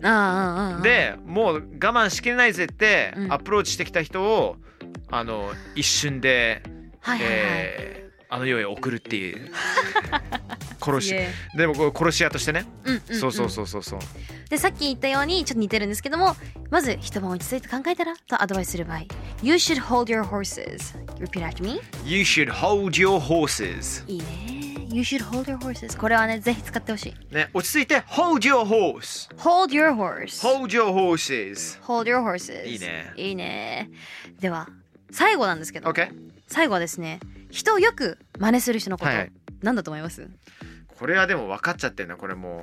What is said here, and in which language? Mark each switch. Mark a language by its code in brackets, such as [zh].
[ja] でもう我慢しきれないぜってアプローチしてきた人を、うん、一瞬で、はいはいはい、あの世へ送るっていう殺し、でも殺し屋としてね、うんうんうん、そうそうそうそう。でさっき言ったようにちょっと似てるんですけども、まず一晩落ち着いて考えたらとアドバイスする場合、 [en] You should hold your horses. Repeat after me. You should hold your horses. [ja] いいね。 [en] You should hold your horses. [ja] これはねぜひ使ってほしい、ね、落ち着いて Hold your horse. [en] Hold your horse. Hold your horses. Hold your horses. [ja] いいね、いいね。では最後なんですけど、 [en] okay. [ja] 最後はですね、人をよく真似する人のこと、はい、何だと思います？これはでも分かっちゃってるな、これもう。